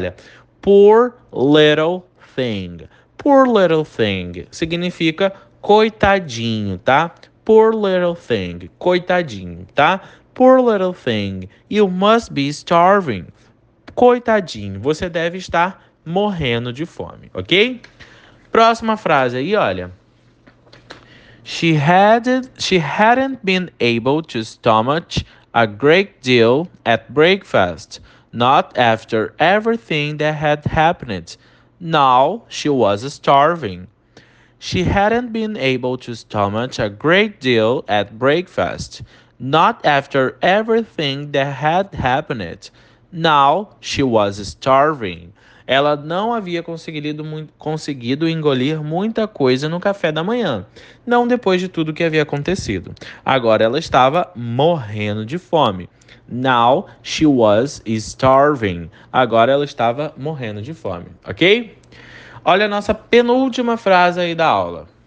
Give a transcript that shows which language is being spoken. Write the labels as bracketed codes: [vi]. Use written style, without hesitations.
[en] Olha, poor little thing. Poor little thing [pt] significa coitadinho, tá? [en] Poor little thing, [pt] coitadinho, tá? [en] Poor little thing, you must be starving. [pt] Coitadinho, você deve estar morrendo de fome, ok? Próxima frase aí, olha. [en] She hadn't been able to stomach a great deal at breakfast, not after everything that had happened. Now she was starving. She hadn't been able to stomach a great deal at breakfast, not after everything that had happened. Now she was starving. [pt] Ela não havia conseguido engolir muita coisa no café da manhã, não depois de tudo que havia acontecido. Agora ela estava morrendo de fome. [en] Now she was starving. [pt] Agora ela estava morrendo de fome, ok? Olha a nossa penúltima frase aí da aula.